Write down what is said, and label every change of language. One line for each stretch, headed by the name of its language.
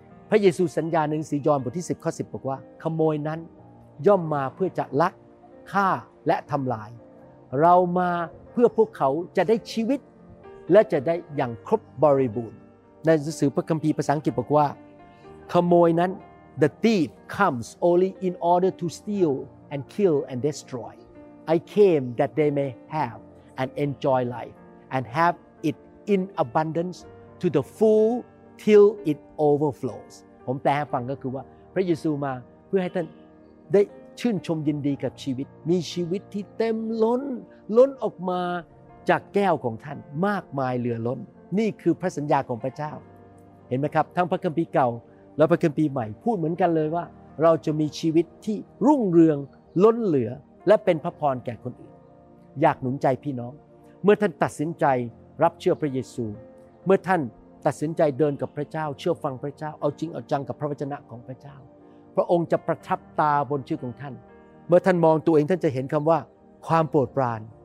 Thai: พระเยซูสัญญาในหนังสือยอห์นบทที่10ข้อ10บอกว่าขโมยนั้นย่อมมาเพื่อจะลักฆ่าและทำลายเรามาเพื่อพวกเขาจะได้ชีวิตและจะได้อย่างครบบริบูรณ์ในหนังสือพระคัมภีร์ภาษาอังกฤษบอกว่าขโมยนั้น
English: The thief comes only in order to steal and kill and destroy. I came that they may have and enjoy life and have it in abundance to the full till it overflows.
Thai: ผมแปลให้ฟังก็คือว่าพระเยซูมาเพื่อให้ท่านได้ชื่นชมยินดีกับชีวิตมีชีวิตที่เต็มล้นล้นออกมาจากแก้วของท่านมากมายเหลือล้นนี่คือพระสัญญาของพระเจ้า เห็นไหมครับทั้งพระคัมภีร์เก่าแล้วพระคัมภีร์ใหม่พูดเหมือนกันเลยว่าเราจะมีชีวิตที่รุ่งเรืองล้นเหลือและเป็นพระพรแก่คนอื่นอยากหนุนใจพี่น้องเมื่อท่านตัดสินใจรับเชื่อพระเยซูเมื่อท่านตัดสินใจเดินกับพระเจ้าเชื่อฟังพระเจ้าเอาจริงเอาจังกับพระวจนะของพระเจ้าพระองค์จะประทับตาบนชีวิตของท่านเมื่อท่านมองตัวเองท่านจะเห็นคำว่าความโปรดปราน